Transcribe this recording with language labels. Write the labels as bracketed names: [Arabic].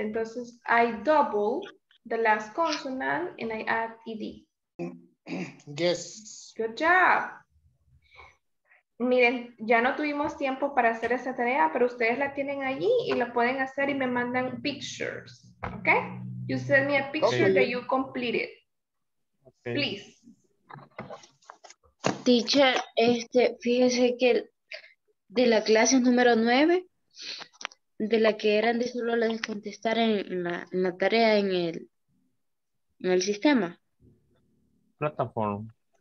[Spanish] Entonces, [English] I double the last consonant and I add ed. Yes. Good job. [Spanish] Miren, ya no tuvimos tiempo para hacer esa tarea, pero ustedes la tienen allí y la pueden hacer y me mandan [English] pictures. Okay? You send me a picture that you completed. Okay. Please. [Spanish] Teacher, fíjese que de la clase número 9, de la que eran de solo las contestar en la tarea en el sistema. Plataforma.